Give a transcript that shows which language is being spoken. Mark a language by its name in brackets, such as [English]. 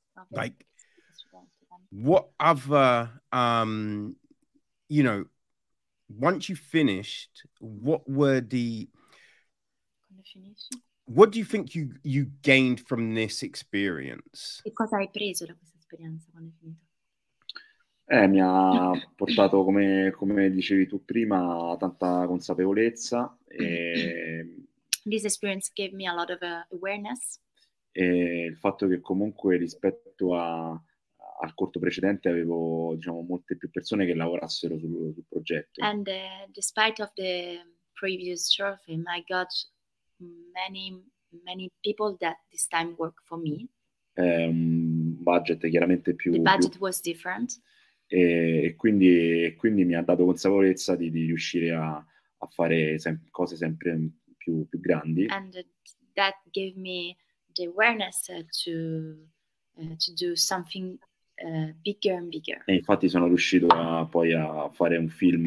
[English] Like, what other, you know, once you finished, what do you think you gained from this experience? [Italian] Che cosa hai preso da questa esperienza quando hai finito? Mi ha portato, come dicevi tu prima, tanta consapevolezza. E [English] this experience gave me a lot of awareness. [Italian] E il fatto che comunque rispetto al corto precedente avevo, diciamo, molte più persone che lavorassero sul progetto. [English] And despite of the previous short film, I got many people that this time work for me. [Italian] Budget chiaramente più. [English] The budget was different. [Italian] E quindi mi ha dato consapevolezza di riuscire a fare cose sempre più grandi. [English] And that gave me the awareness to do something bigger and bigger. [Italian] E infatti sono riuscito a fare un film.